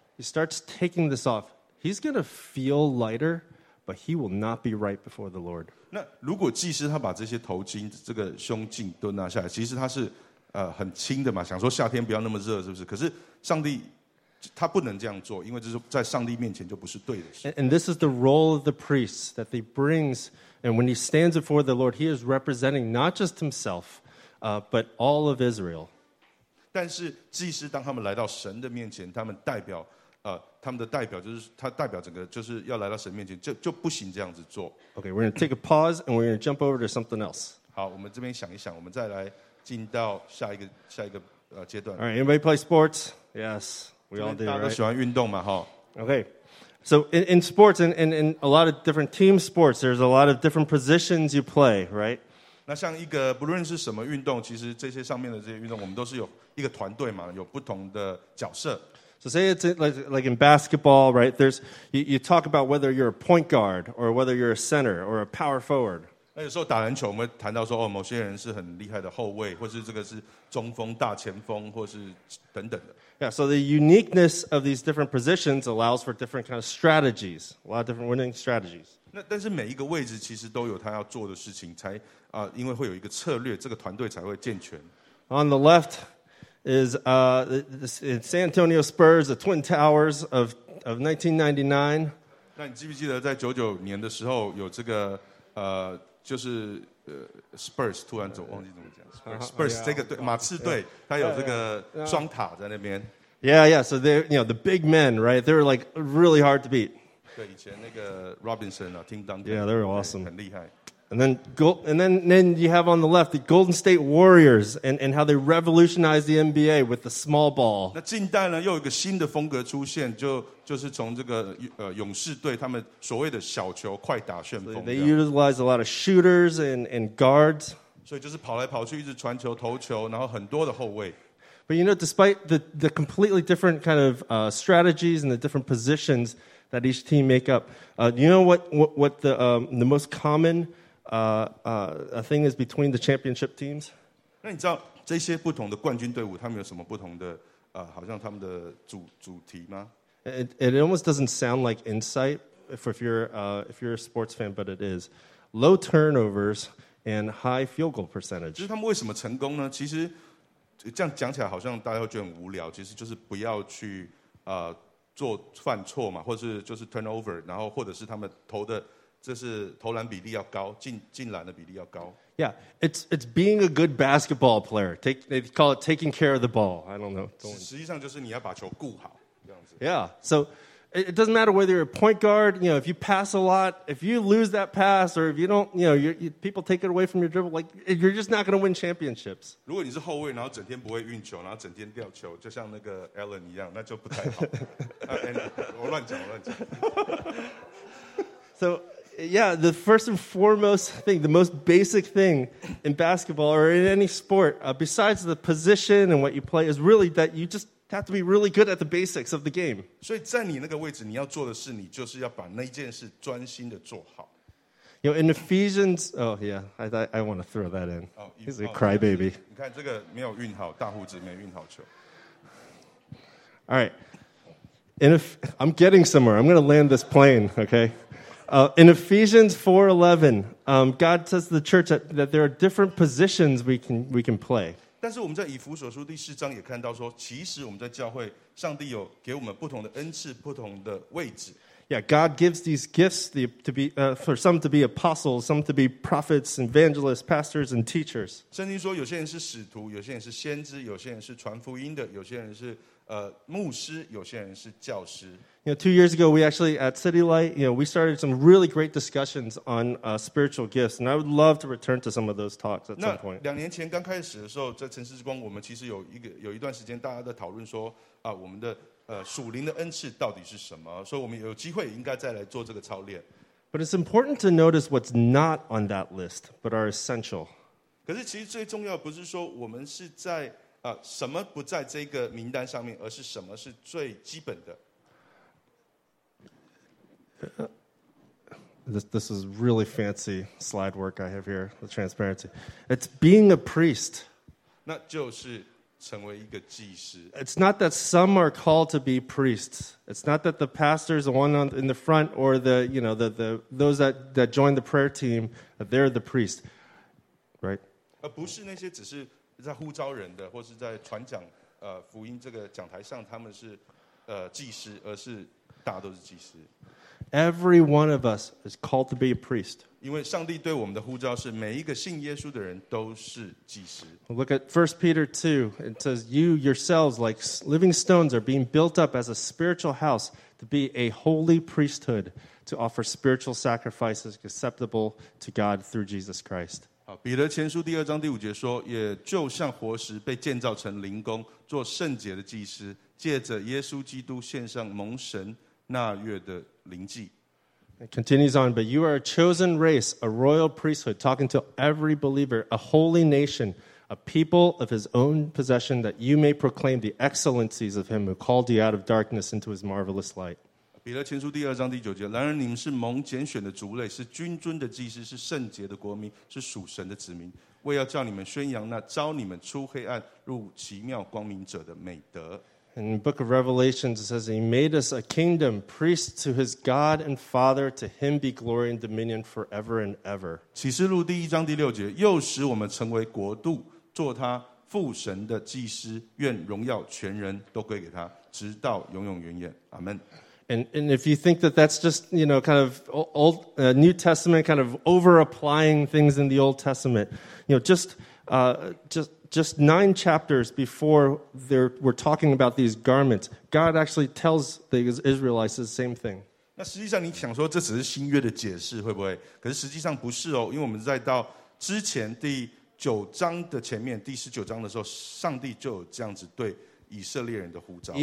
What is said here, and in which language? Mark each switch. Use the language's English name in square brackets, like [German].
[English] He starts taking this off. He's going to feel lighter. But he will not be right before the Lord. [Chinese] 那如果祭司他把这些头巾、这个胸巾都拿下来，其实他是很轻的嘛，想说夏天不要那么热，是不是？可是上帝他不能这样做，因为这是在上帝面前就不是对的事。 [English] And this is the role of the priest that he brings. And when he stands before the Lord, he is representing not just himself, but all of Israel. [Chinese] 但是祭司当他们来到神的面前，他们代表。他们的代表就是他代表整个就是要来到神面前，就不行这样子做。 [English] Okay, we're going to take a pause and we're going to jump over to something else. [Chinese] 好，我们这边想一想，我们再来进到下一个阶段。 [English] All right, anybody play sports? Yes, we all do. [Chinese] 大家都喜欢运动嘛，哈。 [English] Okay, so in sports and in a lot of different team sports, there's a lot of different positions you play, right? [Chinese] 那像一个不论是什么运动，其实这些上面的这些运动，我们都是有一个团队嘛，有不同的角色。 [English] So say it's like in basketball, right? There's you talk about whether you're a point guard or whether you're a center or a power forward. [Chinese] 那有时候打篮球，我们谈到说，哦，某些人是很厉害的后卫，或是这个是中锋、大前锋，或是等等的。 [English] Yeah, so the uniqueness of these different positions allows for different kind of strategies, a lot of different winning strategies. [Chinese] 那但是每一个位置其实都有他要做的事情，才因为会有一个策略，这个团队才会健全。 [English] On the left. Is San Antonio Spurs, the Twin Towers of 1999. [Chinese] 那你记不记得在99年的时候有这个就是Spurs 突然走，忘记怎么讲。 Spurs 这个队，马刺队，它有这个双塔在那边。 [English] Yeah. So they, you know, the big men, right? They were like really hard to beat. [Chinese] 对，以前那个 Robinson 啊 ，Tim Duncan. [English] Yeah, they were awesome. [Chinese] 很厉害。 [English] And then, then you have on the left the Golden State Warriors and how they revolutionized the NBA with the small ball. [Chinese] 那近代呢，又有一个新的风格出现，就是从这个勇士队他们所谓的小球快打旋风。 [English] They utilize a lot of shooters and guards. [Chinese] 所以就是跑来跑去，一直传球、投球，然后很多的后卫。 [English] But you know, despite the completely different kind of strategies and the different positions that each team make up, you know what the most common a thing is between the championship teams. [Chinese] 那你知道这些不同的冠军队伍，他们有什么不同的好像他们的主题吗 [English] ？It almost doesn't sound like insight if you're a sports fan, but it is low turnovers and high field goal percentage. [Chinese] 就是他们为什么成功呢？其实这样讲起来好像大家会觉得很无聊，其实就是不要去做犯错嘛，或是就是 turnover， 然后或者是他们投的。这是投篮比例要高，进篮的比例要高。 [English] Yeah, it's being a good basketball player. They call it taking care of the ball. I don't know. [Chinese] 实际上就是你要把球顾好，这样子。 [English] Yeah, so it doesn't matter whether you're a point guard. You know, if you pass a lot, if you lose that pass, or if you don't, you know, people take it away from your dribble, like you're just not going to win championships. [Chinese] 如果你是后卫，然后整天不会运球，然后整天吊球，就像那个 Allen 一样，那就不太好。我乱讲。 [English] So. Yeah, the first and foremost thing, the most basic thing in basketball or in any sport, besides the position and what you play, is really that you just have to be really good at the basics of the game. [Chinese] 所以在你那个位置，你要做的事，你就是要把那件事专心的做好。 [English] You know, in Ephesians, oh yeah, I want to throw that in. He's a crybaby. [Chinese] 你看这个没有运好，大胡子没运好球。 [English] All right, I'm getting somewhere. I'm going to land this plane. Okay. In Ephesians 4:11, God says to the church that there are different positions we can play. [Chinese] 但是我们在以弗所书第四章也看到说，其实我们在教会，上帝有给我们不同的恩赐，不同的位置。 [English] Yeah, God gives these gifts to be, for some to be apostles, some to be prophets, evangelists, pastors, and teachers. [Chinese] 圣经说有些人是使徒，有些人是先知，有些人是传福音的，有些人是牧师，有些人是教师。 [English] You know, 2 years ago, we actually at City Light, you know, we started some really great discussions on spiritual gifts, and I would love to return to some of those talks at some point. [Chinese] 两年前刚开始的时候，在城市之光，我们其实有一段时间，大家在讨论说啊，我们的属灵的恩赐到底是什么？所以我们有机会应该再来做这个操练。 [English] But it's important to notice what's not on that list, but are essential. [Chinese] 可是其实最重要不是说我们是在什么不在这个名单上面，而是什么是最基本的。 [English] This is really fancy slide work I have here, the transparency. It's being a priest. [Chinese] 那就是成为一个祭司。 [English] It's not that some are called to be priests. It's not that the pastors, the one in the front, or the, you know, those that join the prayer team, they're the priest, right? [Chinese] 不是那些只是在呼召人的，或是在传讲福音这个讲台上，他们是祭司，而是大家都是祭司。 [English] Every one of us is called to be a priest. [Chinese] 因为上帝对我们的呼召是每一个信耶稣的人都是祭司。 [English] Look at 1 Peter 2. It says, you yourselves, like living stones, are being built up as a spiritual house to be a holy priesthood, to offer spiritual sacrifices acceptable to God through Jesus Christ. [Chinese] 好，彼得前书第二章第五节说，也就像活石被建造成灵宫，做圣洁的祭司，借着耶稣基督献上蒙神纳悦的灵祭。 [English] It continues on, but you are a chosen race, a royal priesthood, talking to every believer, a holy nation, a people of his own possession, that you may proclaim the excellencies of him who called you out of darkness into his marvelous light. [Chinese] 彼得前书第二章第九节，然而你们是蒙拣选的族类，是君尊的祭司，是圣洁的国民，是属神的子民，为要叫你们宣扬那召你们出黑暗入奇妙光明者的美德。 [English] In the book of Revelation, it says, He made us a kingdom, priests to His God and Father, to Him be glory and dominion forever and ever. [Chinese] 启示录第一章第六节，又使我们成为国度，做他父神的祭司，愿荣耀全人都归给他，直到永永远远。 [English] Amen. And if you think that's just, you know, kind of old, New Testament, kind of over-applying things in the Old Testament, you know, just 9 chapters before we're talking about these garments, God actually tells the Israelites the same thing. [Chinese] 那实际上你想说这只是新约的解释，会不会？可是实际上不是哦，因为我们在到之前第九章的前面，第十九章的时候，上帝就有这样子对以色列人的呼召。